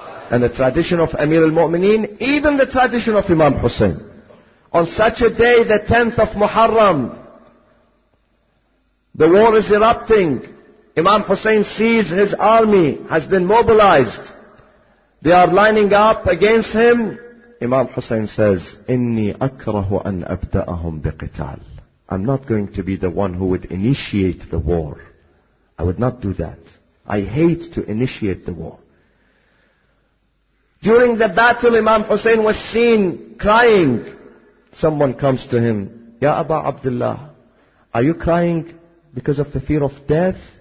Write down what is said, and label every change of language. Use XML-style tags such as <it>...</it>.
<en>And the tradition of Amir al-Mu'mineen, even the tradition of Imam Hussein. On such a day, the 10th of Muharram, the war is erupting. Imam Hussein sees his army has been mobilized. They are lining up against him. Imam Hussein says,</en> <ar>إِنِّي أَكْرَهُ أَنْ أَبْدَأَهُمْ بِقِتَالٍ.</ar> <en>I'm not going to be the one who would initiate the war. I would not do that. I hate to initiate the war. During the battle, Imam Hussein was seen crying. Someone comes to him, Ya Aba Abdullah, are you crying because of the fear of death?</en>